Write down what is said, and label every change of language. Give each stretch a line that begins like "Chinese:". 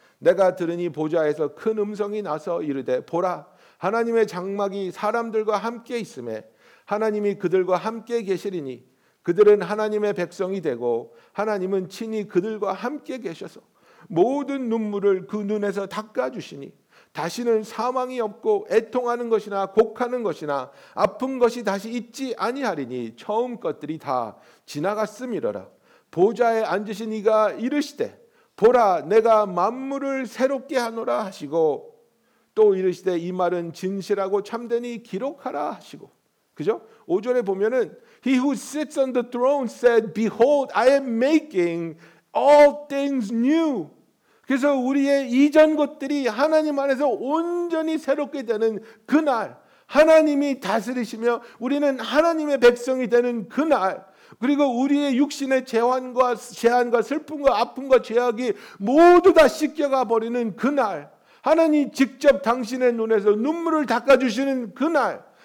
Korean: 내가 들으니 보좌에서 큰 음성이 나서 이르되 보라 하나님의 장막이 사람들과 함께 있음에 하나님이 그들과 함께 계시리니 그들은 하나님의 백성이 되고 하나님은 친히 그들과 함께 계셔서 모든 눈물을 그 눈에서 닦아주시니 다시는 사망이 없고 애통하는 것이나 곡하는 것이나 아픈 것이 다시 있지 아니하리니 처음 것들이 다 지나갔음이러라. 보좌에 앉으신 이가 이르시되 보라 내가 만물을 새롭게 하노라 하시고 또 이르시되 이 말은 진실하고 참되니 기록하라 하시고 그죠? 5절에 보면은
English: He who sits on the throne said, Behold, I am making all things new.
Korean: 그래서 우리의 이전 것들이 하나님 안에서 온전히 새롭게 되는 그날, 하나님이 다스리시며 우리는 하나님의 백성이 되는 그날, 그리고 우리의 육신의 재환과 제한과 슬픔과 아픔과 죄악이 모두 다 씻겨가 버리는 그날, 하나님 직접 당신의 눈에서 눈물을 닦아주시는 그날,